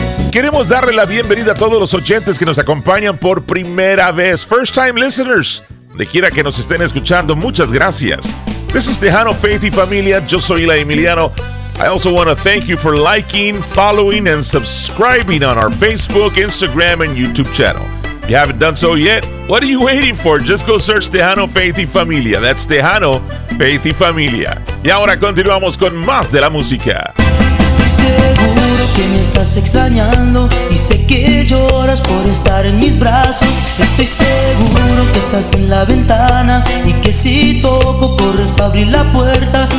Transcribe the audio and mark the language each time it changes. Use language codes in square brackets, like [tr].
[es] Queremos darle la bienvenida a todos los oyentes que nos acompañan por primera vez. [en] First time listeners. [es] Donde quiera que nos estén escuchando, muchas gracias. [en] This is Tejano, Faith y Familia. [es] Yo soy [en] La Emiliano. I also want to thank you for liking, following, and subscribing on our Facebook, Instagram, and YouTube channel. If you haven't done so yet, what are you waiting for? Just go search Tejano, Faith y Familia. That's Tejano, Faith y Familia. [es] Y ahora continuamos con más de la música. Estoy seguro que me estás extrañando y sé que lloras por estar en mis brazos. Estoy seguro que estás en la ventana y que si toco corres a abrir la puerta.